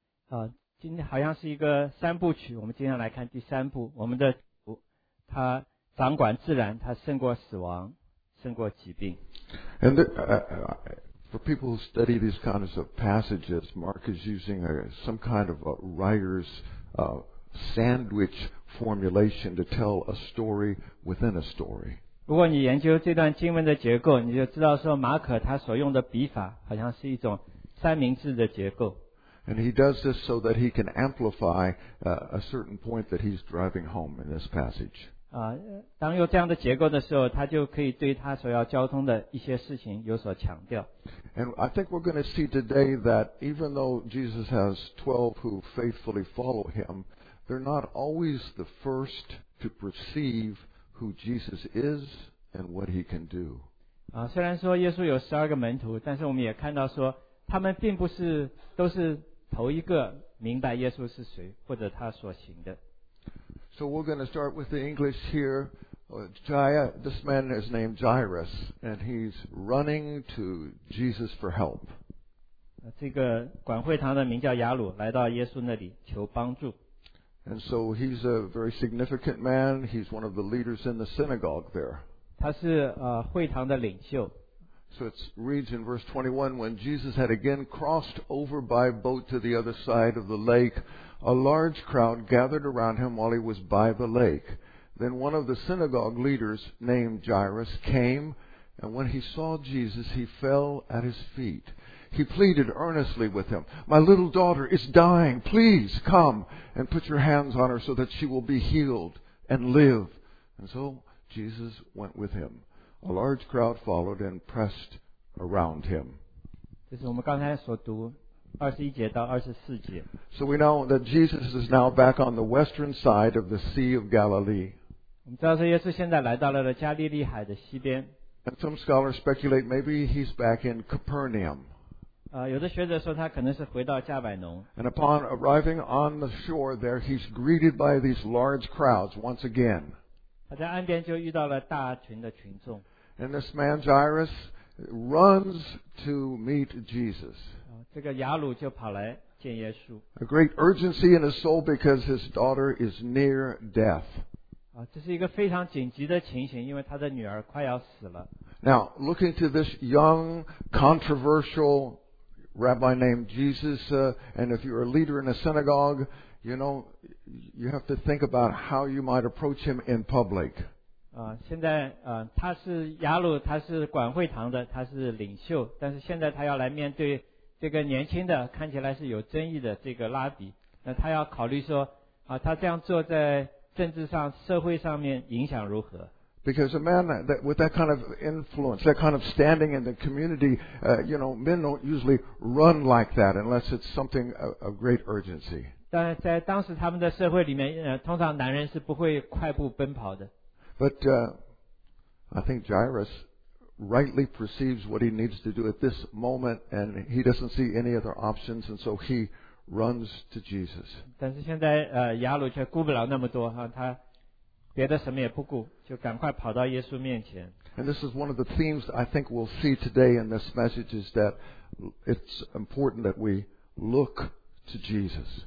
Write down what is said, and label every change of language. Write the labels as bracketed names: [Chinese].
[Chinese] 好，今天好像是一个三部曲，我们今天来看第三部。我们的主，他掌管自然，他胜过死亡，胜过疾病。 [English] And for people who study these kinds of passages, Mark is using some kind of a writer's sandwich formulation to tell a story within a story. [Chinese] 如果你研究这段经文的结构，你就知道说马可他所用的笔法好像是一种三明治的结构。 [English] And he does this so that he can amplify a certain point that he's driving home in this passage. [Chinese] 当有这样的结构的时候，他就可以对他所要交通的一些事情有所强调。 [English] And I think we're going to see today that even though Jesus has 12 who faithfully follow him, they're not always the first to perceive who Jesus is and what he can do. [Chinese] 虽然说耶稣有十二个门徒，但是我们也看到说他们并不是都是头一个明白耶稣是谁或者他所行的。 [English] So we're going to start with the English here. This man is named Jairus, and he's running to Jesus for help. [Chinese] 这个管会堂的名叫雅鲁，来到耶稣那里求帮助。 [English] And so he's a very significant man. He's one of the leaders in the synagogue there. [Chinese] 他是会堂的领袖。 [English] So it reads in verse 21, when Jesus had again crossed over by boat to the other side of the lake, a large crowd gathered around him while he was by the lake. Then one of the synagogue leaders, named Jairus, came, and when he saw Jesus, he fell at his feet. He pleaded earnestly with him, "My little daughter is dying. Please come and put your hands on her so that she will be healed and live." And so Jesus went with him. A large crowd followed and pressed around him. [Chinese] 这是我们刚才所读21节到24节。 [English] So we know that Jesus is now back on the western side of the Sea of Galilee. [Chinese] 我们知道说耶稣现在来到了加利利海的西边。 [English] And some scholars speculate maybe he's back in Capernaum. [Chinese] 有的学者说他可能是回到加百农。 [English] And upon arriving on the shore there, he's greeted by these large crowds once again. [Chinese] 他在岸边就遇到了大群的群众。 [English] And this man Jairus runs to meet Jesus. [Chinese] 这个雅鲁就跑来见耶稣。 [English] A great urgency in his soul because his daughter is near death. [Chinese] 这是一个非常紧急的情形，因为他的女儿快要死了。 [English] Now, looking to this young, controversial rabbi named Jesus, and if you're a leader in a synagogue,You know, you have to think about how you might approach him in public. [Chinese] 现在他是雅鲁，他是管会堂的，他是领袖，但是现在他要来面对这个年轻的，看起来是有争议的这个拉比。那他要考虑说，他这样做在政治上、社会上面影响如何？ [English] Because a man that with that kind of influence, that kind of standing in the community, you know, men don't usually run like that unless it's something of great urgency. [Chinese] 但在当时他们的社会里面，通常男人是不会快步奔跑的。 [English] But I think Jairus rightly perceives what he needs to do at this moment, and he doesn't see any other options, and so he runs to Jesus. [Chinese] 但是现在雅鲁却顾不了那么多哈，他别的什么也不顾，就赶快跑到耶稣面前。 [English] And this is one of the themes I think we'll see today in this message is that it's important that we look to Jesus.